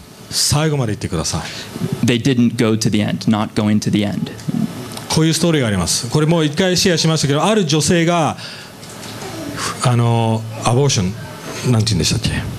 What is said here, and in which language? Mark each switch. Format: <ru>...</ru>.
<ja>最後まで行ってください。</ja> <en>They didn't go to the end, not going to the end.</en> <ja>こういうストーリーがあります。これもう一回シェアしましたけど、ある女性がアボーション、なんて言うんでしたっけ？</ja>